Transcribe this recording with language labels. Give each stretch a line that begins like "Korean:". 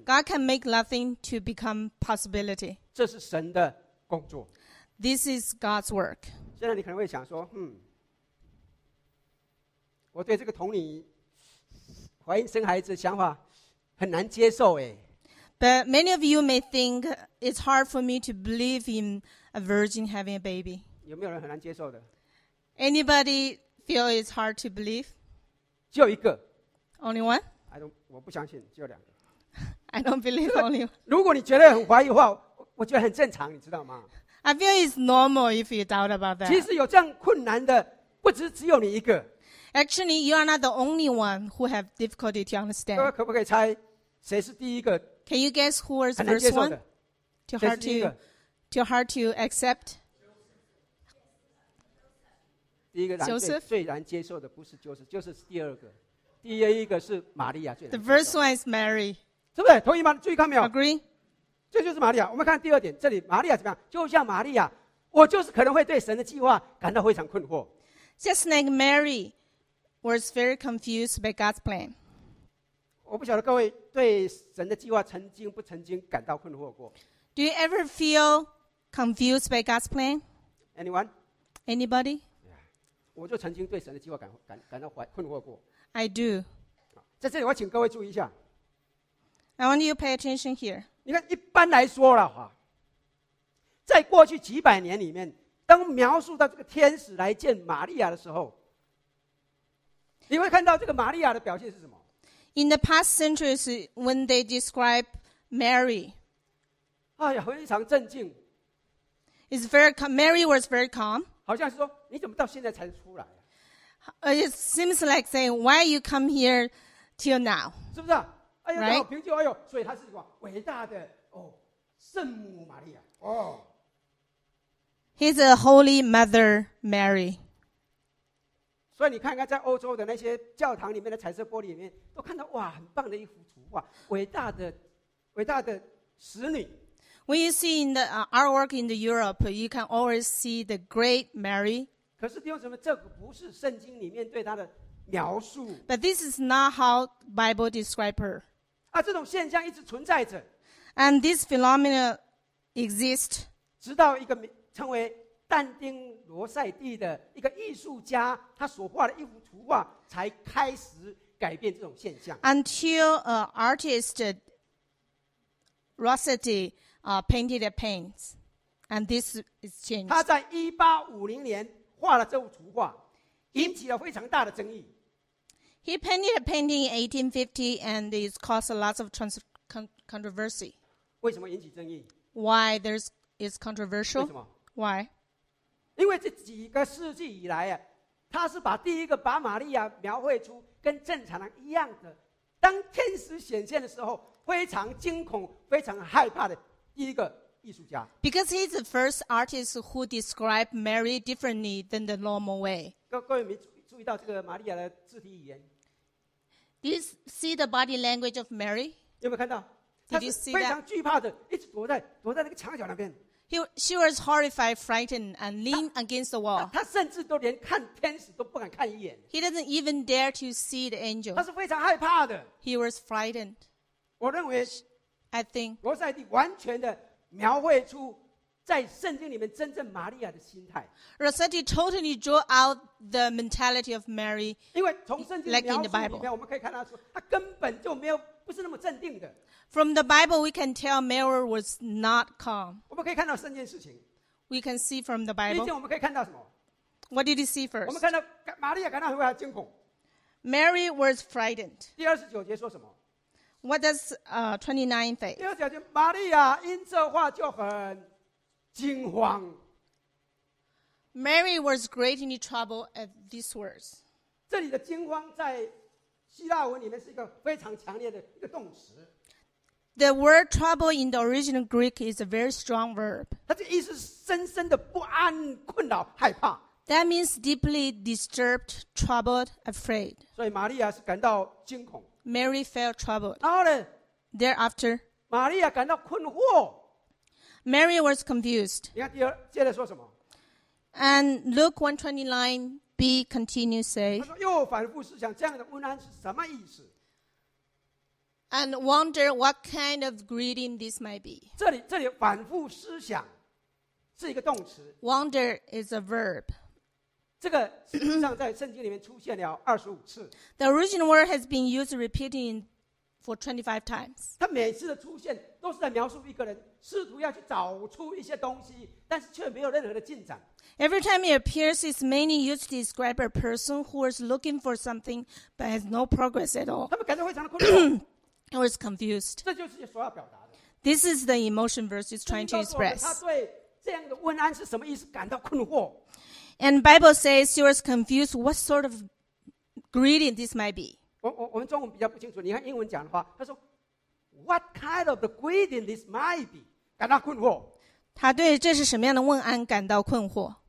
English: God can make nothing to become possibility.
Chinese: 这是神的工作。
English: This is God's work.
Chinese: 现在你可能会想说，我对这个童女怀孕生孩子的想法很难接受耶。
English: But many of you may think it's hard for me to believe in a virgin having a baby.
Chinese: 有没有人很难接受的？
English: Anybody feel it's hard to believe?
Chinese: 只有一个。
English: Only one?
Chinese: 我不相信，只有两个。
English: I don't believe only one.
Chinese: 如果你觉得很怀疑的话，我觉得很正常，你知道吗？
English: I feel it's normal if you doubt about that.
Chinese: 其实有这样困难的不只是只有你一个。
English: Actually, you are not the only one who have difficulty to understand.
Chinese: 各位可不可以猜谁是第一个？
English: Can you guess who was the first one? Too hard to accept?
Chinese: 第一个难
English: Joseph?
Chinese: 最难接受的不是 Joseph, 就是第二个。第一个是玛利亚最难接受。
English: The first one is Mary.
Chinese: 是不是？同意吗？注意看没有？
English: Agree?
Chinese: 这就是玛利亚。我们看第二点，这里玛利亚怎么样？就像玛利亚，我就是可能会对神的计划感到非常困惑。
English: Just like Mary was very confused by God's plan.
Chinese: 我不晓得各位对神的计划曾经不曾经感到困惑过。
English: Do you ever feel confused by God's plan? Anyone? Anybody? Yeah.
Chinese: 我就曾经对神的计划感到困惑过。
English: I do.
Chinese: 在这里我请各位注意一下。
English: I want you to pay attention here.
Chinese: 你看，一般来说的话，在过去几百年里面，当描述到这个天使来见玛利亚的时候，你会看到这个玛利亚的表现是什么
English: ？In the past centuries, when they describe Mary,
Chinese: 哎呀，非常镇静。
English: It's very calm. Mary was very calm.
Chinese: 好像是说，你怎么到现在才出来
English: ？It seems like saying, "Why you come here till now?"
Chinese: 是不是、啊？哎呀，好平静！哎呦，所以她是什么伟大的哦，圣母玛利亚哦。
English: He's a holy mother, Mary.
Chinese: 所以你看看，在欧洲的那些教堂里面的彩色玻璃里面，都看到哇，很棒的一幅图画，伟大的使女。
English: When you see in the artwork in the Europe, you can always see the great Mary.
Chinese: 可是弟兄姊妹，这个不是圣经里面对她的。描述
English: But this is not how Bible describes her.
Chinese: 啊，这种现象一直存在着。
English: And this phenomenon exists.
Chinese: 直到一个称为但丁罗塞蒂的一个艺术家，他所画的一幅图画才开始改变这种现象。
English: Until an artist Rossetti painted a paint, and this is changed.
Chinese: 他在1850年画了这幅图画。引起了非常大的争议。
English: He painted a painting in 1850 and it caused a lot of controversy.
Chinese: 为什么引起争议？
English: Why there's is controversial?
Chinese: 为什么？
English: Why?
Chinese: 因为这几个世纪以来啊，他是把第一个把玛利亚描绘出跟正常人一样的，当天使显现的时候非常惊恐非常害怕的第一个艺术家。
English: Because he's the first artist who described Mary differently than the normal way.
Chinese: 各位没注意到这个玛利亚的肢体语言？
English: Do you see the body language of Mary?
Chinese: 有没有看到？
English: Did you see that?
Chinese: 非常惧怕的一直躲在那个墙角那边。
English: She was horrified, frightened, and leaned against the wall.
Chinese: 她甚至都连看天使都不敢看一眼。
English: He doesn't even dare to see the angel.
Chinese: 她是非常害怕的。
English: He was frightened.
Chinese: 我认为
English: I think
Chinese: 罗塞蒂完全的描绘出在圣经里面真正玛利亚的心态。
English: Rossetti totally drew out the mentality of Mary.
Chinese: 因为从圣经描述里面我们可以看到说她根本就没有不是那么镇定的。
English: From the Bible, we can tell Mary was not calm.
Chinese: 我们可以看到圣经事情。
English: We can see from the Bible.
Chinese: 第一件我们可以看到什么？
English: What did you see first?
Chinese: 我们看到玛利亚感到非常惊恐。
English: Mary was frightened.
Chinese: 第二十九节说什么？
English: What does 29 say?
Chinese: 第二十九节，玛利亚因这话就很惊慌。
English: Mary was greatly troubled at these words.
Chinese: 这里的惊慌在希腊文里面是一个非常强烈的一个动词。
English: The word trouble in the original Greek is a very strong verb.
Chinese: 它这个意思是深深的不安、困扰、害怕。
English: That means deeply disturbed, troubled, afraid.
Chinese: 所以玛利亚是感到惊恐。
English: Mary felt troubled.
Chinese: 然后呢
English: ？Thereafter,
Chinese: 玛利亚感到困惑。
English: Mary was confused.
Chinese: 你看第二接着说什么
English: ？And Luke 1:29b continues say.
Chinese: 他说又反复思想这样的问安是什么意思？
English: And wonder what kind of greeting this might be.
Chinese: 这里反复思想是一个动词。
English: Wonder is a verb.
Chinese: 这个实际上在圣经里面出现了25次。
English: The original word has been used repeating for 25 times.
Chinese: 它每次的出现都是在描述一个人试图要去找出一些东西，但是却没有任何的进展。
English: Every time it appears, it's mainly used to describe a person who is looking for something but has no progress at all.
Chinese: 他们感到非常的困惑。
English: I was confused.
Chinese: 这就是所要表达的。
English: This is the emotion verse is trying to express.
Chinese: 他对这样的问安是什么意思感到困惑。
English: And Bible says she was confused. What sort of greeting this might be?
Chinese: 我们中文比较不清楚。你看英文讲的话，他说 ，
English: What kind of the greeting this might be?
Chinese: 感到困惑。他对这是什么样的问安感到困惑。